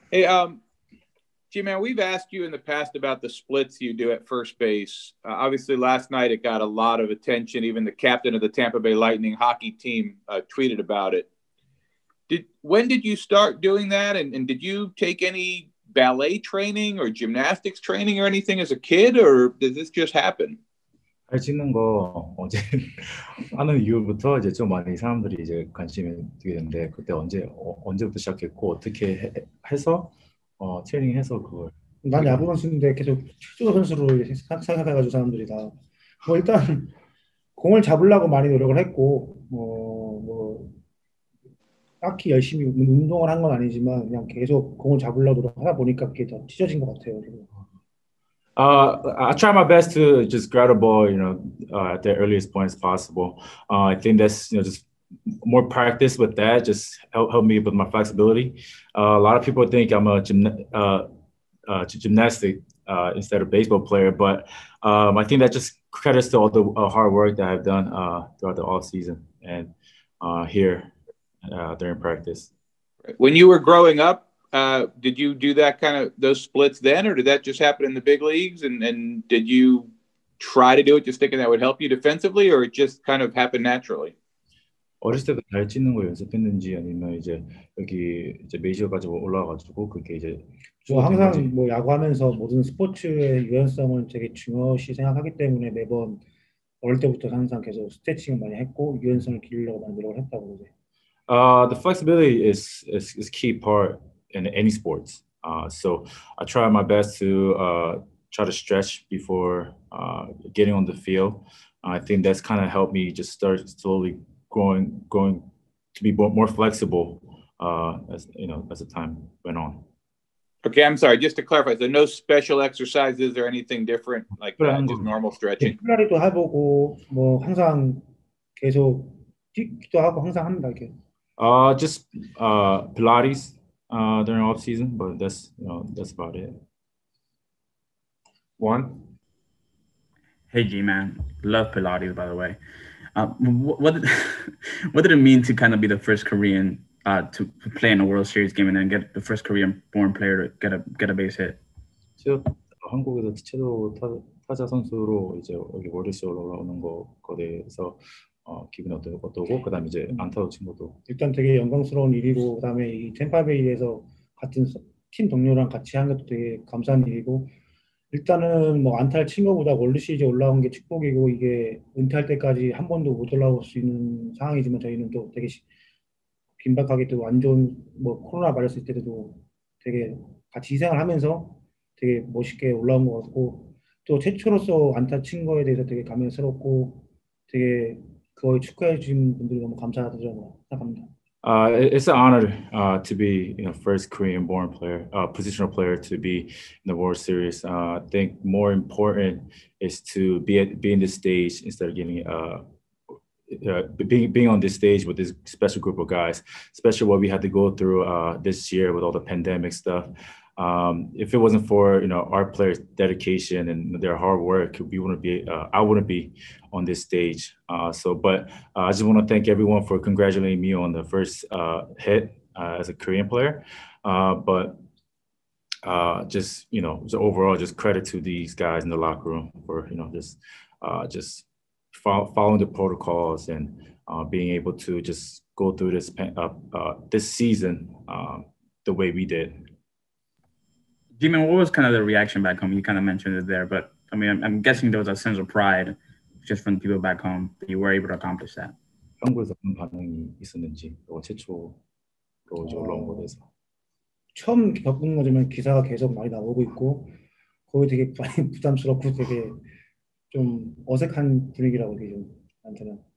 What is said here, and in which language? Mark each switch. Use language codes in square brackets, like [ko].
[en] Hey, G-Man, we've asked you in the past about the splits you do at first base. Obviously, last night it got a lot of attention. Even the captain of the Tampa Bay Lightning hockey team tweeted about it. When did you start doing that? And did you take any ballet training or gymnastics training or anything as a kid? Or did this just happen? [ko] 잘 찍는 거 언제 하는 이후부터 이제 좀 많이 사람들이 이제 관심이 되게 되는데 그때 언제부터 시작했고 어떻게 해서 트레이닝해서 그걸 난 야구 선수인데 계속 축구 선수로 생각해가지고 사람들이 다 뭐 일단 공을 잡으려고 많이 노력을 했고 뭐 딱히 열심히 운동을 한 건 아니지만 그냥 계속 공을 잡으려고 하다 보니까 그게 더 찢어진 것 같아요. [en] I try my best to just grab the ball, you know, at the earliest points possible. I think that's, you know, just more practice with that just help me with my flexibility. A lot of people think I'm a gymnastic instead of baseball player, but I think that just credits to all the hard work that I've done throughout the offseason and here during practice. When you were growing up, did you do that kind of those splits then, or did that just happen in the big leagues? And did you try to do it just thinking that would help you defensively, or it just kind of happened naturally? [ko] 어렸을 때부터 잘 찍는 걸 연습했는지 아니면 이제 여기 이제 메이저까지 올라와가지고 그게 이제 저 항상 뭐 야구하면서 모든 스포츠의 유연성을 되게 중요시 생각하기 때문에 매번 어릴 때부터 항상 계속 스트레칭 많이 했고 유연성을 길러고 노력을 했다고 이제. [en] The flexibility is key part in any sports. So I try my best to try to stretch before getting on the field. I think that's kind of helped me just start slowly growing to be more flexible as you know as the time went on. Okay, I'm sorry, just to clarify, so no special exercises or anything different, like just normal stretching. [ko] 플라리도 해보고 뭐 항상 계속 뛰기도 하고 항상 합니다 이렇게. [en] Just Pilates during off season, but that's you know that's about it. Juan, hey G man, love Pilates by the way. What did it mean to kind of be the first Korean to play in a World Series game and then get the first Korean-born player to get a base hit? [ko] 제가 한국에서 최초 타자 선수로 이제 여기 월드시리즈 올라오는 거에 대해서. 기분이 어떠고 그다음 이제 안타도 친 것도 일단 되게 영광스러운 일이고 그다음에 이 템파베이에서 같은 팀 동료랑 같이 한 것도 되게 감사한 일이고 일단은 뭐 안타를 친 것보다 월드시리즈 올라온 게 축복이고 이게 은퇴할 때까지 한 번도 못 올라올 수 있는 상황이지만 저희는 또 되게 긴박하게 또 안 좋은 뭐 코로나 바이러스 때도 되게 같이 희생을 하면서 되게 멋있게 올라온 것 같고 또 최초로서 안타 친 거에 대해서 되게 감명스럽고 되게 거의 축하해 주신 분들이 너무 감사드리고 생각합니다. [en] It's an honor to be you know first Korean born player positional player to be in the World Series. I think more important is to be in this stage instead of getting being on this stage with this special group of guys, especially what we had to go through this year with all the pandemic stuff. If it wasn't for you know our players' dedication and their hard work, we wouldn't be. I wouldn't be on this stage. I just want to thank everyone for congratulating me on the first hit as a Korean player. Overall, just credit to these guys in the locker room for you know just following the protocols and being able to just go through this this season the way we did. Jimmy, what was kind of the reaction back home? You kind of mentioned it there, but I mean, I'm guessing there was a sense of pride just from the people back home that you were able to accomplish that. [ko] 한국에서 어떤 반응이 있었는지, 그거 최초로 이제 올라온 거에서. 처음 겪은 거지만 기사가 계속 많이 나오고 있고, 거의 되게 많이 부담스럽고 되게 좀 어색한 분위기라고 이게 좀 나한테는.